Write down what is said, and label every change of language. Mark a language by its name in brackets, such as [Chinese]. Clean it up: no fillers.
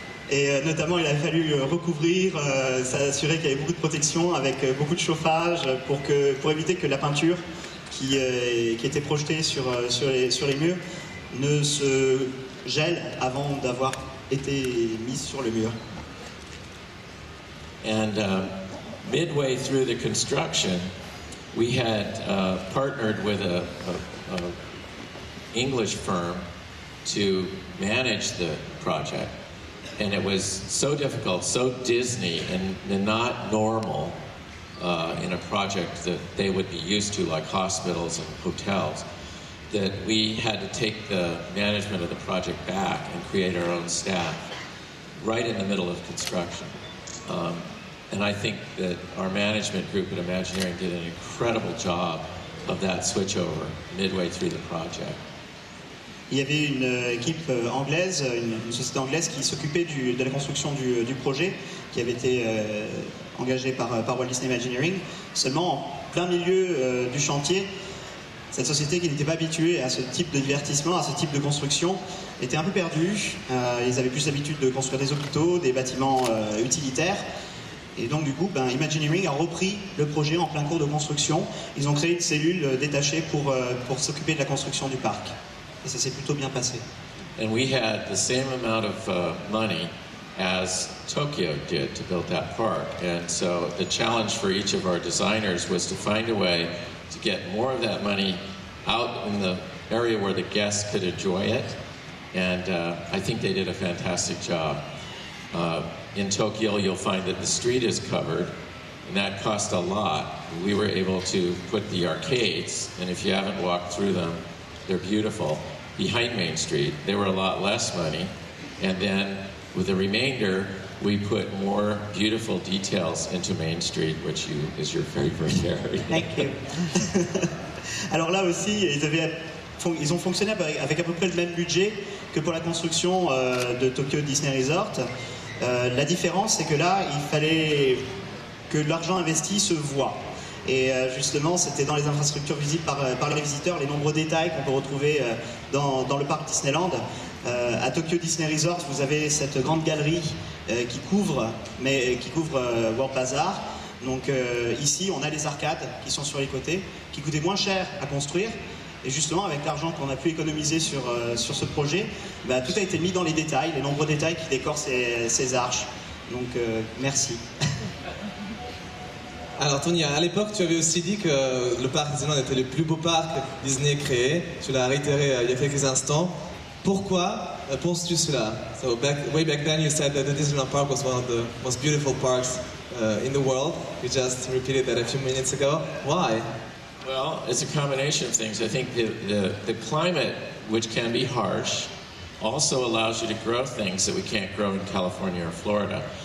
[French] Et notamment, il a fallu recouvrir, s'assurer qu'il y avait beaucoup de protection avec beaucoup de chauffage pour éviter que la peinture qui était projetée sur les murs ne se gèle avant d'avoir été mise sur le mur. [English] And midway through the construction, we had partnered with an English firm to manage the project. And it was so difficult, so Disney, and not normal in a project that they would be used to, like hospitals and hotels, that we had to take the management of the project back and create our own staff. right in the middle of construction. And I think that our management group at Imagineering did an incredible job of that switchover midway through the project. [French] Il y avait une équipe anglaise, une société anglaise qui s'occupait de la construction du projet, qui avait été engagée par Walt Disney Imagineering. Seulement, en plein milieu du chantier, cette société qui n'était pas habituée à ce type de divertissement, à ce type de construction, était un peu perdue. Ils avaient plus l'habitude de construire des hôpitaux, des bâtiments utilitaires. Et donc du coup, Imagineering a repris le projet en plein cours de construction. Ils ont créé une cellule détachée pour s'occuper de la construction du parc. Et ça s'est plutôt bien passé. [English] And we had the same amount of money as Tokyo did to build that park. And so the challenge for each of our designers was to find a way to get more of that money out in the area where the guests could enjoy it. And I think they did a fantastic job. In Tokyo, you'll find that the street is covered, and that cost a lot. We were able to put the arcades, and if you haven't walked through them, they're beautiful, behind Main Street. They were a lot less money. And then with the remainder, we put more beautiful details into Main Street, which is your favorite area. Thank you. [French] Alors là aussi, ils ont fonctionné avec à peu près le même budget que pour la construction de Tokyo Disney Resort. La différence, c'est que là, il fallait que l'argent investi se voit. Et justement, c'était dans les infrastructures visibles par les visiteurs, les nombreux détails qu'on peut retrouver dans le parc Disneyland. À Tokyo Disney Resort, vous avez cette grande galerie qui couvre World Bazaar. Donc ici, on a les arcades qui sont sur les côtés, qui coûtaient moins cher à construire. Et justement, avec l'argent qu'on a pu économiser sur ce projet, tout a été mis dans les détails, les nombreux détails qui décorent ces arches. Donc, merci. Alors, Tony, à l'époque, tu avais aussi dit que le parc Disneyland était le plus beau parc Disney créé. Tu l'as réitéré il y a quelques instants. Pourquoi penses-tu cela? [English] So, way back then, you said that the Disneyland Park was one of the most beautiful parks in the world. You just repeated that a few minutes ago. Why? Well, it's a combination of things. I think the climate, which can be harsh, also allows you to grow things that we can't grow in California or Florida.